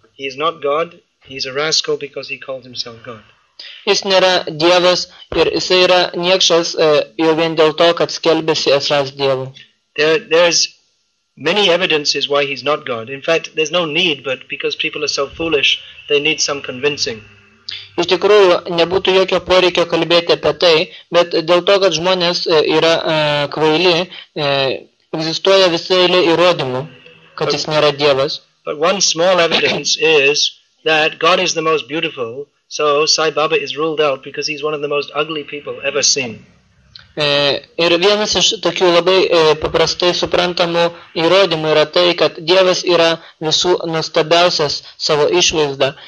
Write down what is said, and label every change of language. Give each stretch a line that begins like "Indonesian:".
English: He is not God, he is a rascal because he calls himself God.
Lithuanian: Jis nėra dievas ir jisai yra niekšas jau vien dėl to, kad skelbėsi esąs dievu.
English: There's many evidences why he's not God. In fact, there's no need, but because people are so foolish, they need some convincing.
Lithuanian: Iš tikrųjų, nebūtų jokio poreikio kalbėti apie tai, bet dėl to, kad žmonės yra kvaili, egzistuoja visai eilė įrodymų, kad jis nėra dievas.
English: But one small evidence is that God is the most beautiful, so Sai Baba is ruled out because he's one of the most ugly people ever seen.
Lithuanian: Ir vienas iš tokių labai paprastai suprantamų įrodymų yra tai, kad Dievas yra visų nuostabiausias savo išvaizda.